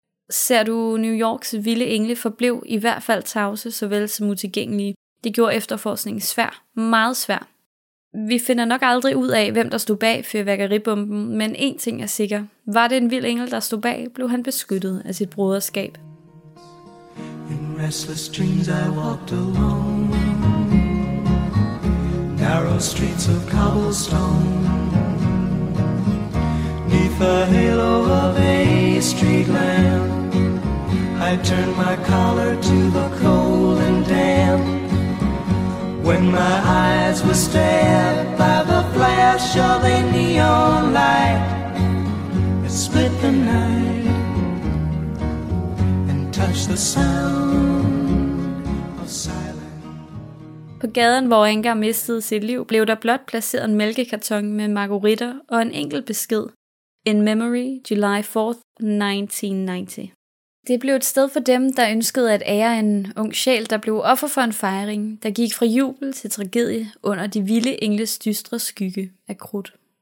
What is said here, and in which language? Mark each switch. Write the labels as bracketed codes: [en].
[da] Ser du, New Yorks vilde engle forblev i hvert fald tavse, såvel som utilgængelige. Det gjorde efterforskningen svær, meget svær. Vi finder nok aldrig ud af, hvem der stod bag fyrværkeribomben, men én ting er sikker. Var det en vild engel, der stod bag, blev han beskyttet af sit broderskab. [en] In restless dreams I walked alone. Narrow streets of cobblestone. Neath the halo of a street lamp, I turned my collar to the cold and damp. When my eyes were stared by the flash of a neon light, it split the night and touched the sound of silence. [da] På gaden, hvor Anker mistede sit liv, blev der blot placeret en mælkekarton med margueritter og en enkelt besked. [en] In memory, July 4th, 1990. [da] Det blev et sted for dem, der ønskede at ære en ung sjæl, der blev offer for en fejring, der gik fra jubel til tragedie under de vilde engles dystre skygge af krudt.